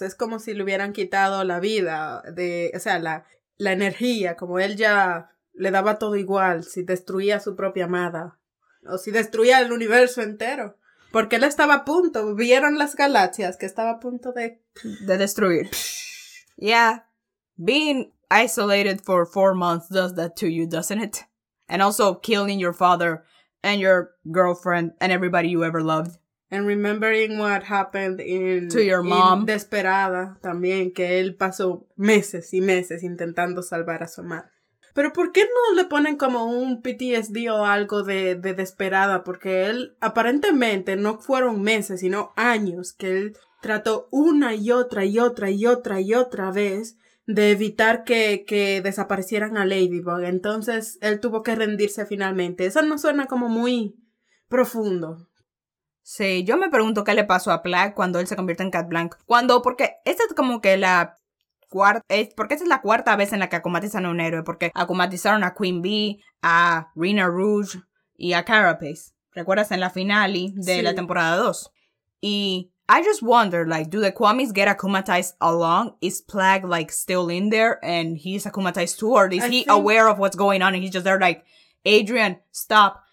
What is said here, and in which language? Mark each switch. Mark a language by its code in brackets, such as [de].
[es] Es como si le hubieran quitado la vida, la energía, como él ya le daba todo igual si destruía a su propia amada o si destruía el universo entero. Porque él estaba a punto, vieron las galaxias que estaba a punto de destruir. [en] Yeah, being isolated for 4 months does that to you, doesn't it? And also killing your father and your girlfriend and everybody you ever loved. And remembering what happened in... to your mom. [es] Desperada, también, que él pasó meses y meses intentando salvar a su madre. ¿Pero por qué no le ponen como un PTSD o algo de desesperada? Porque él, aparentemente, no fueron meses, sino años, que él trató una y otra y otra y otra y otra vez de evitar que desaparecieran a Ladybug. Entonces, él tuvo que rendirse finalmente. Eso no suena como muy profundo. Sí, yo me pregunto qué le pasó a Plague cuando él se convierte en Cat Blanc. Porque esta es como que la... porque esta es la cuarta vez en la que acumatizan a un héroe, porque acumatizaron a Queen Bee, a Rena Rouge y a Carapace. ¿Recuerdas en la finale de sí. la temporada 2? [en] Y I just wonder, like, do the Kwamis get acumatized along? Is Plague, like, still in there and he's acumatized too? Or is he aware of what's going on and he's just there like, Adrian, stop.